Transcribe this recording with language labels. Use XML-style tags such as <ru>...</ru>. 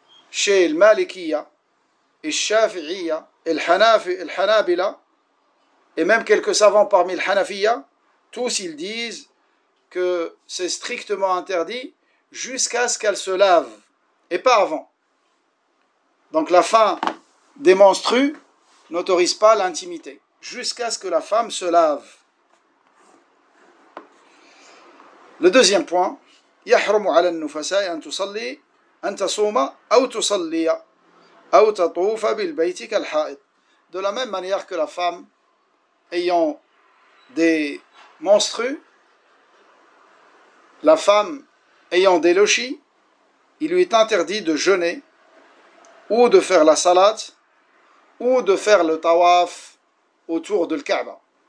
<fr>Chez le Malikiya, et Shafi'iya, et le Hanabila, et même quelques savants parmi le Hanafiya, tous ils disent que c'est strictement interdit jusqu'à ce qu'elle se lave, et pas avant. Donc la fin des menstrues n'autorise pas l'intimité, jusqu'à ce que la femme se lave. Le deuxième point,</fr> <ar>يحرم على النفساء أن تصلي أن تصوم أو تصلي أو تطوف بالبيت كالحائط.</ar> <fr>De la même manière que la femme ayant des menstrues, la femme ayant des loshis, il lui est interdit de jeûner ou de faire la salate ou de faire le tawaf autour de la Kaaba.</fr>